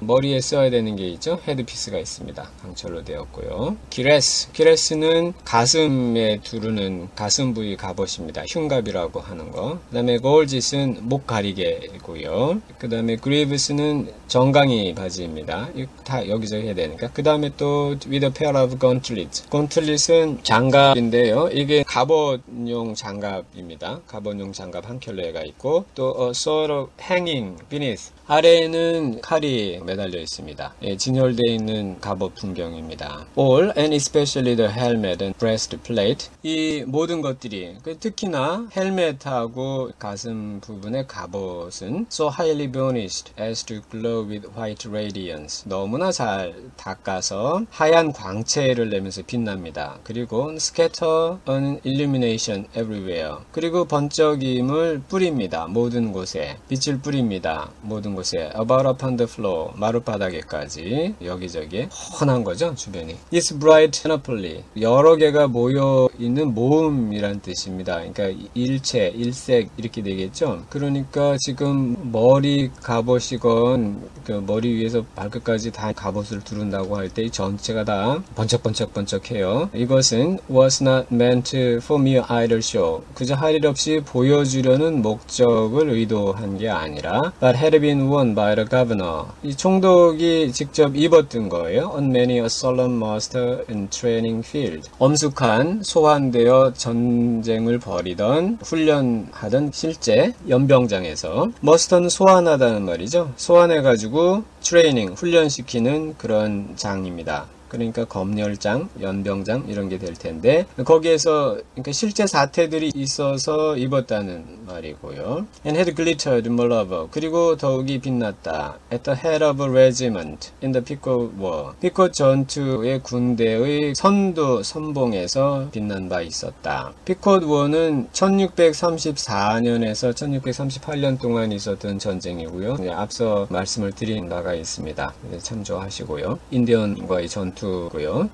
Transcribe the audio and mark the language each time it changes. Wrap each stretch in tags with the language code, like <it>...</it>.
<ko>머리에 써야 되는 게 있죠. 헤드피스가 있습니다. 강철로 되었고요. 기레스. 기레스는 가슴에 두르는 가슴 부위 갑옷입니다. 흉갑이라고 하는 거. 그 다음에 골짓은 목 가리개고요. 그 다음에 그리브스는 정강이 바지입니다. 다 여기서 해야 되니까. 그 다음에 또</ko> <en>with a pair of gauntlets.</en> <ko>gauntlets은 장갑 인데요. 이게 갑옷용 장갑입니다. 갑옷용 장갑 한 켤레가 있고 또</ko> <en>a sword hanging beneath.</en> <ko>아래에는 칼이 매달려 있습니다. 예, 진열되어 있는 갑옷 풍경입니다.</ko> <en>All and especially the helmet and breastplate.</en> <ko>이 모든 것들이 특히나 헬멧하고 가슴 부분의 갑옷은</ko> <en>so highly burnished as to glow with white radiance.</en> <ko>너무나 잘 닦아서 하얀 광채를 내면서 빛납니다.</ko> <en>그리고 scatter an illumination everywhere.</en> <ko>그리고 번쩍임을 뿌립니다. 모든 곳에 빛을 뿌립니다. 모든 곳에</ko> <en>About upon the floor,</en> <ko>마룻바닥에까지 여기저기 훤한 거죠. 주변이</ko> <en>It's bright panoply.</en> <ko>여러 개가 모여 있는 모음이란 뜻입니다. 그러니까 일체, 일색 이렇게 되겠죠. 그러니까 지금 머리 갑옷이건 그 머리 위에서 발끝까지 다 갑옷을 두른다고 할때 전체가 다 번쩍번쩍번쩍해요. 이것은</ko> <en>was not meant for mere idle show.</en> <ko>그저 할일 없이 굳이 보여주려는 목적을 의도한 게 아니라</ko> <en>but had been worn by the governor.</en> <ko>이 총독이 직접 입었던 거예요.</ko> <en>On many a solemn muster in training field.</en> <ko>엄숙한 소환되어 전쟁을 벌이던 훈련하던 실제 연병장에서 muster는 소환하다는 말이죠. 소환해가지고 training, 훈련시키는 그런 장입니다. 그러니까 검열장, 연병장 이런 게 될 텐데 거기에서 그러니까 실제 사태들이 있어서 입었다는 말이고요.</ko> <en>And had glittered moreover.</en> <ko>그리고 더욱이 빛났다.</ko> <en>At the head of a regiment in the Pequot War.</en> <ko>Pequot 전투의 군대의 선두 선봉에서 빛난 바 있었다. Pequot War는 1634년에서 1638년 동안 있었던 전쟁이고요. 이제 앞서 말씀을 드린 바가 있습니다. 참조하시고요. 인디언과의 전투고요.</ko>